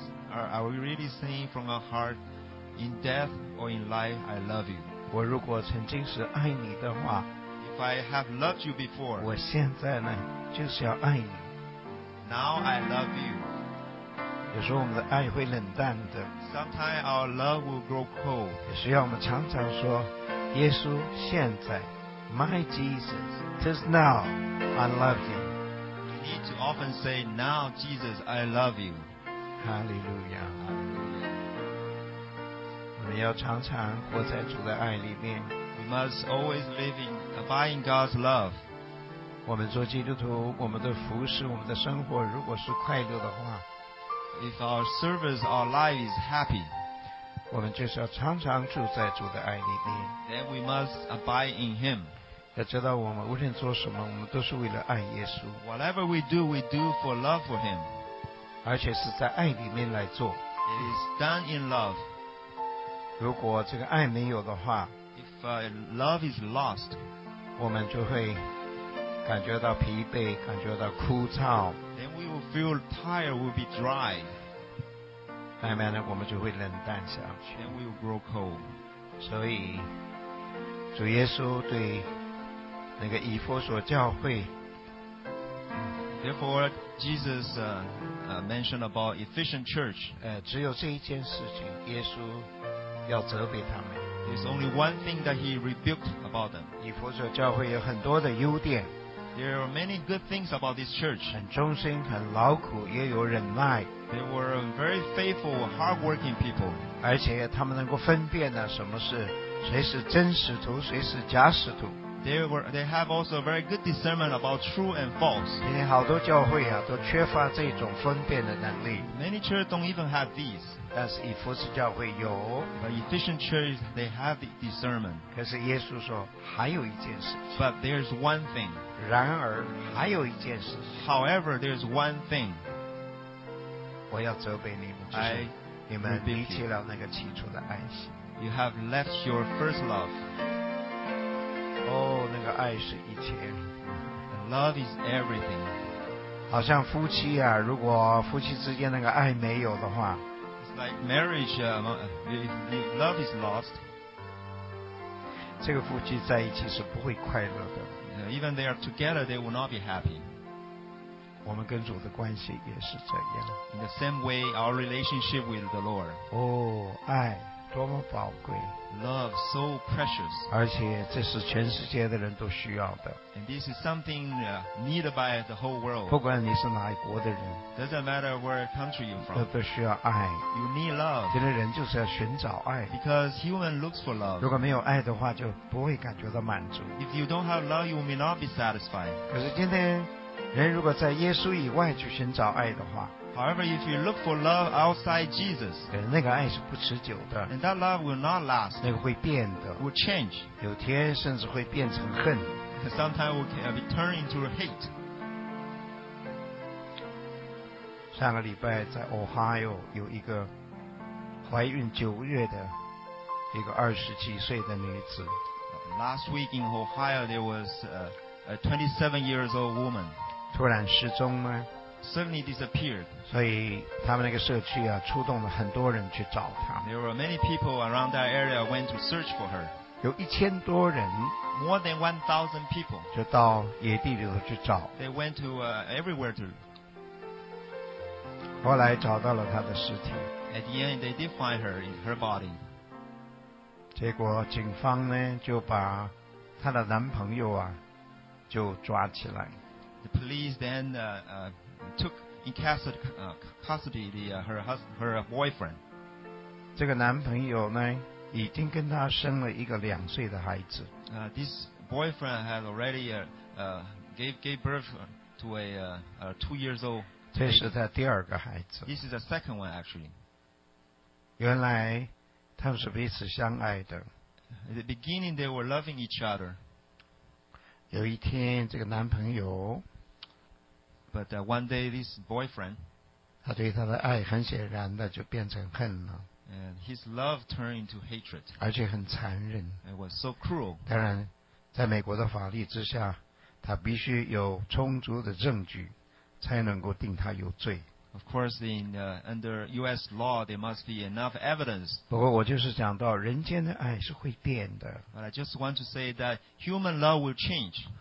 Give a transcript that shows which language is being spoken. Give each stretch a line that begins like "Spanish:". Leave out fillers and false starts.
English: Are we really saying from our heart, in death or in life, I love you?
Chinese: 我如果曾经是爱你的话，
English: If I have loved you before,
Chinese: 我现在呢就是要爱你。
English: Now I love you.
Chinese: 有时候我们的爱会冷淡的。
English: Sometimes our love will grow cold.
Chinese: 也需要我们常常说，耶稣现在 ，
English: My Jesus, just now, I love you. Need to often say, "Now, Jesus, I love you." Hallelujah. Hallelujah.
Chinese: 们要常常活在主的爱里面。
English: We must always live in abiding God's love.
Chinese: 我们做基督徒，我们的服事，我们的生活，如果是快乐的话
English: ，If our service, our life is happy,
Chinese: 我们就是要常常住在主的爱里面。
English: Then we must abide in Him.
Chinese: 要知道，我们无论做什么，我们都是为了爱耶稣。
English: Whatever we do for love for Him.
Chinese: 而且是在爱里面来做。
English: It is done in love.
Chinese: 如果这个爱没有的话。
English: Love is lost.
Chinese: 我们就会感觉到疲惫，感觉到枯燥。
English: Then we will feel tired, will be dry.
Chinese: 慢慢的，我们就会冷淡下去。
English: Then we will grow cold.
Chinese: 所以，主耶稣对那个以弗所教会。
English: Therefore, Jesus mentioned about efficient church.
Chinese: 只有这一件事情，耶稣要责备他们。
English: There's only one thing that he rebuked about them.
Chinese: 以弗所教会有很多的优点。
English: There are many good things about this church.
Chinese: 很忠心，很劳苦，也有忍耐。
English: They were very faithful, hardworking people.
Chinese: 而且他们能够分辨呢，什么是谁是真使徒，谁是假使徒。
English: They have also a very good discernment about true and false.
Chinese: 今天好多教会啊，都缺乏这种分辨的能力。
English: Many churches don't even have these.
Chinese: 但是以弗所教会有
English: The efficient church, they have the discernment.
Chinese: 可是耶稣说还有一件事
English: But there's one thing.
Chinese: 然而还有一件事
English: However, there's one thing.
Chinese: 我要责备你们就是你们离弃了那个起初的爱心
English: You have left your first love.
Chinese: 那个爱是一切
English: Love is everything.
Chinese: 好像夫妻啊如果夫妻之间那个爱没有的话
English: Like marriage, love is lost.
Chinese: 这个夫妻在一起是不会快乐的。
English: Even they are together, they will not be happy.
Chinese: 我们跟主的关系也是这样。
English: In the same way, our relationship with the Lord.
Chinese: 爱多么宝贵。
English: Love so precious.
Chinese: 而且这是全世界的人都需要的。
English: And this is something needed by the whole world.
Chinese: 不管你是哪一国的人。
English: Doesn't matter where country you're from.
Chinese: 都需要爱。
English: You need love.
Chinese: 现在人就是要寻找爱。
English: Because human looks for love.
Chinese: 如果没有爱的话，就不会感觉到满足。
English: If you don't have love, you may not be satisfied.
Chinese: 可是今天，人如果在耶稣以外去寻找爱的话。
English: However, if you look for love outside Jesus,
Chinese: 那个爱是不持久的
English: and that love will not last.
Chinese: 那个会变的
English: will change.
Chinese: 有天甚至会变成恨
English: Sometimes it will be turned into hate.
Chinese: 上个礼拜在 Ohio 有一个怀孕九月的一个二十几岁的女子
English: Last week in Ohio, there was a 27 years old woman.
Chinese: 突然失踪吗
English: Suddenly disappeared.
Chinese: 所以他们那个社区啊，出动了很多人去找他。
English: There were many people around that area went to search for her.
Chinese: 有一千多人
English: ，more than 1,000 people，
Chinese: 就到野地里头去找。
English: They went to everywhere to.
Chinese: 后来找到了她的尸体。
English: At the end, they did find her in her body.
Chinese: 结果警方呢，就把她的男朋友啊，就抓起来。
English: The police then took in custody her boyfriend.
Chinese: 这个男朋友呢，已经跟她生了一个两岁的孩子。
English: This boyfriend had already gave birth to a 2 years old.
Chinese: 这是她第二个孩子。
English: This is the second one actually.
Chinese: 原来他们是彼此相爱的。
English: In the beginning, they were loving each other.
Chinese: 有一天，这个男朋友。
English: But one day, this boyfriend,
Chinese: 他对他的爱很显然的就变成恨了。
English: And his love turned into hatred.
Chinese: 而且很残忍。
English: It was so cruel.
Chinese: 当然，在美国的法律之下，他必须有充足的证据，才能够定他有罪。
English: Of course, under U.S. law, there must be enough evidence.
Chinese: 不过我就是讲到，人间的爱是会变的。
English: But I just want to say that human love will change.